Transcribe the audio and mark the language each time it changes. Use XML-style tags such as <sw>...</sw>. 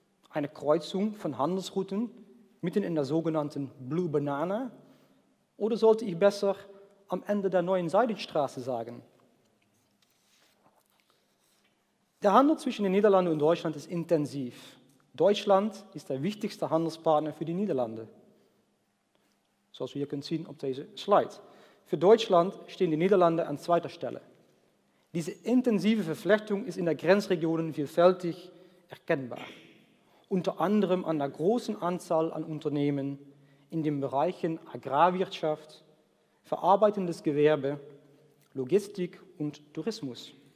<de>Eine Kreuzung von Handelsrouten mitten in der sogenannten Blue Banana, oder sollte ich besser am Ende der neuen Seidenstraße sagen. Der Handel zwischen den Niederlanden und Deutschland ist intensiv. Deutschland ist der wichtigste Handelspartner für die Niederlande.</de> <nl>Zoals we hier kunnen zien op deze slide.</nl> <de>Für Deutschland stehen die Niederlande an zweiter Stelle. Diese intensive Verflechtung ist in der Grenzregion vielfältig erkennbar. Unter anderem an der großen Anzahl an Unternehmen in den Bereichen Agrarwirtschaft, verarbeitendes Gewerbe, Logistik und Tourismus.</de>